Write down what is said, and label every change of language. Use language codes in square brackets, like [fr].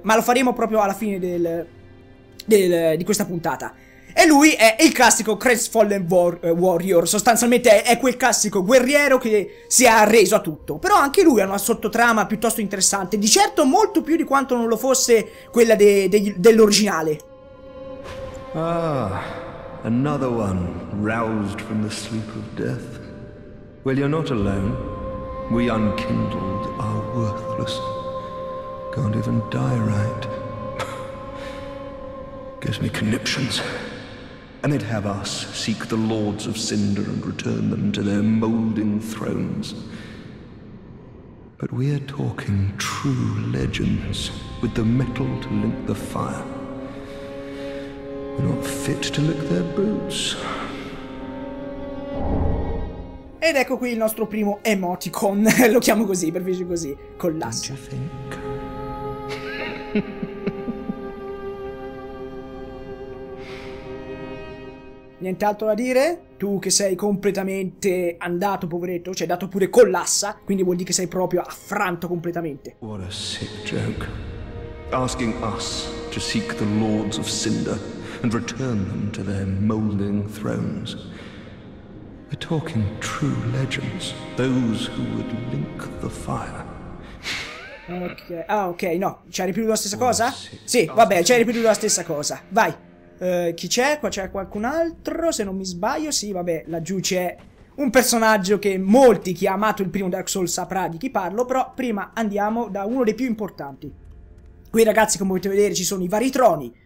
[it] Ma lo faremo proprio alla fine di questa puntata. E lui è il classico Crestfallen Warrior, sostanzialmente è quel classico guerriero che si è arreso a tutto. Però anche lui ha una sottotrama piuttosto interessante, di certo molto più di quanto non lo fosse quella dell'originale. [en] Ah, another one roused from the sleep of death. Well, you're not alone. We unkindled are worthless. Can't even die right. Gives me conniptions. And it have us seek the lords of Cinder and return them to their molding thrones. But we are talking true legends with the metal to link the fire. We're not fit to lick their boots. [it] Ed ecco qui il nostro primo emoticon, lo chiamo così, per dirci così, con l'ascia. Nient'altro da dire? Tu che sei completamente andato, poveretto, cioè dato pure collassa, quindi vuol dire che sei proprio affranto completamente. [en] What a sick joke. Asking us to seek the lords of Cinder and return them to their molding thrones. We're talking true legends, those who would link the fire. [it] Ok, ah ok, no, ci hai ripetuto la stessa cosa? Sì, vabbè, ci hai ripetuto la stessa cosa, vai. Chi c'è? Qua c'è qualcun altro, se non mi sbaglio. Sì, vabbè, laggiù c'è un personaggio che molti, chi ha amato il primo Dark Souls, saprà di chi parlo. Però prima andiamo da uno dei più importanti. Qui, ragazzi, come potete vedere, ci sono i vari troni.